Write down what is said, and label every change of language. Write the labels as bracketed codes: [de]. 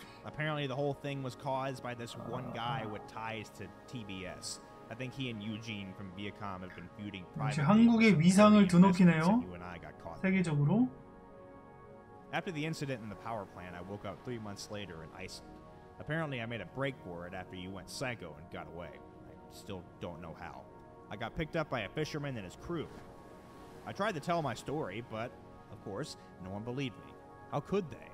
[en] Apparently, the whole thing was caused by this one guy with ties to TBS. I think he and Eugene from Viacom have been feuding privately. [ko] 한국의 위상을 드높이네요. 세계적으로. [en] After the incident in the power plant, I woke up 3 months later in Iceland. Apparently, I made a break for it after you went psycho and got away. I still don't know how. I got picked up by a fisherman and his crew. I tried to tell my story, but, of course, no one believed me. How could they?